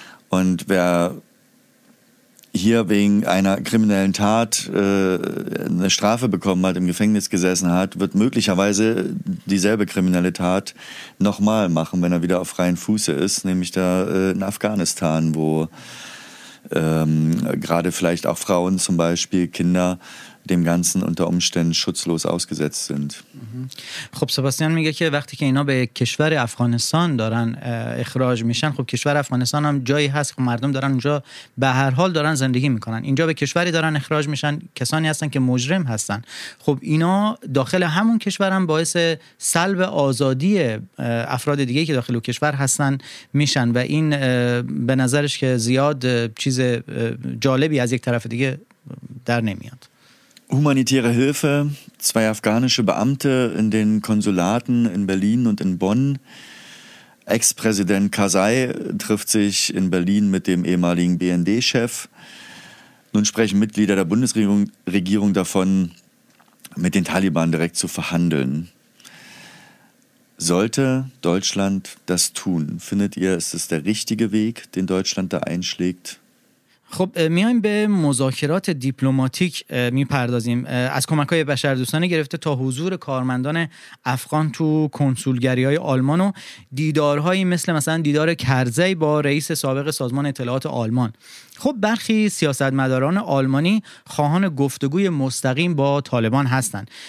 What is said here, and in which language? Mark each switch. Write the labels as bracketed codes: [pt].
[de] Und wer hier wegen einer kriminellen Tat eine Strafe bekommen hat, im Gefängnis gesessen hat, wird möglicherweise dieselbe kriminelle Tat nochmal machen, wenn er wieder auf freien Fuße ist, nämlich da in Afghanistan, wo gerade vielleicht auch Frauen zum Beispiel, Kinder, dem Ganzen unter Umständen schutzlos ausgesetzt sind. [fa] خب سباستیان میگه که وقتی که اینا به کشور افغانستان دارن اخراج میشن، خب کشور افغانستان هم جایی هست که مردم دارن اونجا به هر حال دارن زندگی میکنن، اینجا به کشوری دارن اخراج میشن، کسانی هستن که مجرم هستن، خب اینا داخل همون کشور هم باعث سلب آزادی افراد دیگه که داخل کشور هستن میشن و این به نظرش که زیاد چیز جالبی از یک طرف دیگه در نمیاد. [de] Humanitäre Hilfe. Zwei afghanische Beamte in den Konsulaten in Berlin und in Bonn. Ex-Präsident Karzai trifft sich in Berlin mit dem ehemaligen BND-Chef. Nun sprechen Mitglieder der Bundesregierung davon, mit den Taliban direkt zu verhandeln. Sollte Deutschland das tun? Findet ihr, ist es der richtige Weg, den Deutschland da einschlägt? [fa] خب میایم به مذاکرات دیپلماتیک میپردازیم، از کمک‌های بشردوستانه گرفته تا حضور کارمندان افغان تو کنسولگری‌های آلمان و دیدارهایی مثل مثلا دیدار کرزی با رئیس سابق سازمان اطلاعات آلمان. خب برخی سیاستمداران آلمانی خواهان گفتگوی مستقیم با طالبان هستند.